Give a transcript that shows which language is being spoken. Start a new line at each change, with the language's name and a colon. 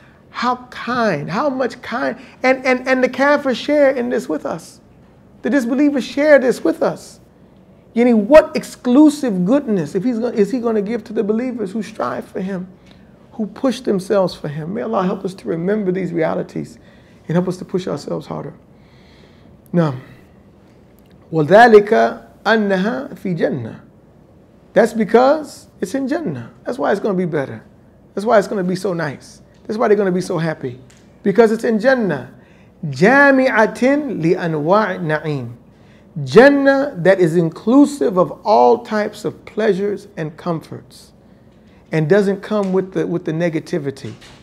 English: How kind, how much kind. And the kafir share in this with us. The disbelievers share this with us. Yani, what exclusive goodness is he going to give to the believers who strive for him, who push themselves for him? May Allah help us to remember these realities and help us to push ourselves harder. Now,
Arabic: وَذَلِكَ أَنَّهَا فِي جَنَّةٍ.
English: That's because it's in Jannah. That's why it's going to be better. That's why it's going to be so nice. That's why they're going to be so happy. Because it's in Jannah.
Arabic: جَامِعَةٍ لِأَنْوَاعِ النَّعِيمِ.
English: Jannah that is inclusive of all types of pleasures and comforts and doesn't come with the negativity.